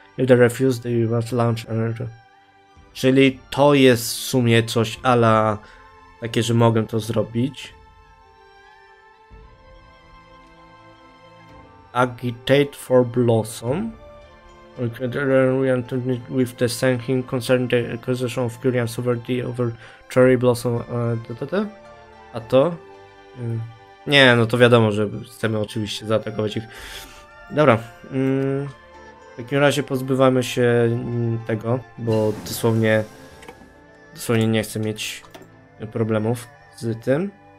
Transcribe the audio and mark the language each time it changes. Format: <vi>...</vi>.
<en>If they refuse, they must launch an attack.</en> <pl>Czyli to jest w sumie coś a la takie, że mogę to zrobić.</pl> <en>Agitate for Blossom. We entered with the sanction concerning the acquisition of Curian sovereignty over Cherry Blossom.</en> <pl>A to? Nie, no to wiadomo, że chcemy oczywiście zaatakować ich. Dobra. W takim razie pozbywamy się tego, bo dosłownie nie chcę mieć problemów z tym.</pl>